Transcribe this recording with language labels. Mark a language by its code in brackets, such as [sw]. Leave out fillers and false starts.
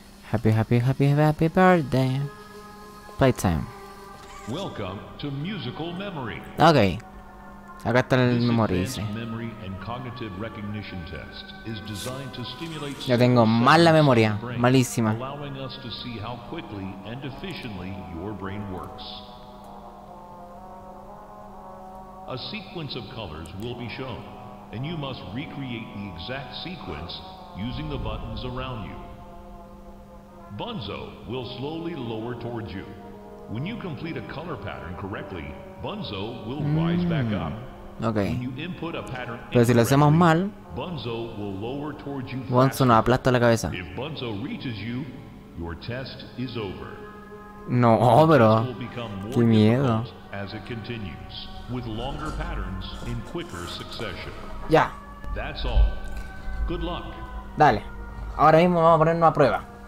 [en] Happy, happy, happy, happy birthday. Playtime. Welcome to musical memory. [es] Okay. Acá está el memory. [en] Memory and cognitive recognition test is designed to stimulate. [es] Yo tengo mala memoria, malísima. [en] Allowing us to see how quickly and efficiently your brain works. A sequence of colors will be shown, and you must recreate the exact sequence using the buttons around you. Bunzo will slowly lower towards you. When you complete a color pattern correctly, Bunzo will rise back up. Okay. When you input a pattern [es] pero si lo hacemos mal, [en] Bunzo will lower towards you. [es] Bunzo nos aplasta la cabeza. [en] If Bunzo reaches you, your test is over. [es] No, oh, pero qué miedo. [en] As it continues with longer patterns in quicker succession. [es] Ya. [en] That's all. Good luck. [es] Dale, ahora mismo vamos a ponernos a prueba.